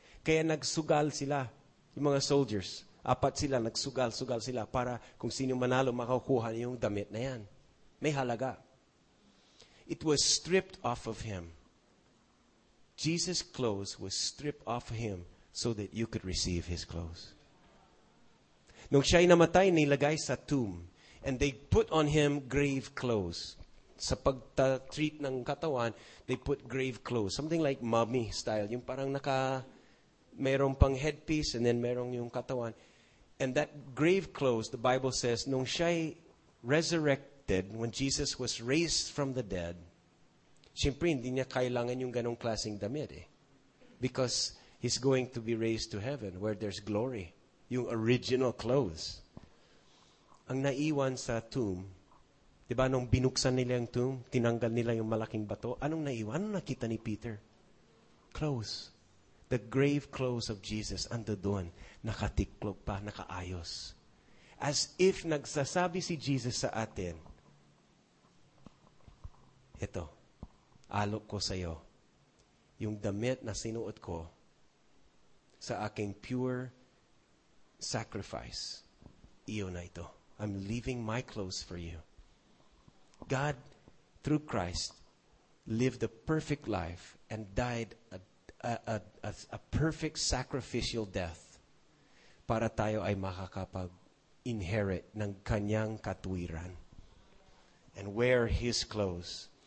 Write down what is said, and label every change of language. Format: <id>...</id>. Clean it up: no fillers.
<tl>Kaya nagsugal sila, yung mga soldiers. Apat sila, nagsugal-sugal sila para kung sino manalo, makakuha yung damit na yan. May halaga.</tl> <en>It was stripped off of him. Jesus' clothes was stripped off of him so that you could receive his clothes.</en> <tl>Nung siya'y namatay, nilagay sa tomb.</tl> <en>And they put on him grave clothes.</en> <tl>Sa pagta-treat ng katawan,</tl> <en>they put grave clothes. Something like mummy style.</en> <tl>Yung parang naka, merong pang headpiece and then merong yung katawan. And that grave clothes, the Bible says, nung siya'y resurrected,</tl> <en>when Jesus was raised from the dead,</en> <tl>siyempre hindi niya kailangan yung ganong klaseng damit eh.</tl> <en>Because he's going to be raised to heaven where there's glory.</en> <tl>Yung original clothes. Ang naiwan sa tomb, di ba nung binuksan nila yung tomb, tinanggal nila yung malaking bato, anong naiwan? Anong nakita ni Peter? Clothes.</tl> <en>The grave clothes of Jesus under doon,</en> <tl>nakatiklop pa, nakaayos. As if nagsasabi si Jesus sa atin, ito, alok ko sa iyo, yung damit na sinuot ko sa aking pure sacrifice, iyon na ito.</tl> <en>I'm leaving my clothes for you. God, through Christ, lived a perfect life and died a perfect sacrificial death</en> <tl>para tayo ay makakapag-inherit ng kanyang katwiran</tl> <en>and wear his clothes.</en>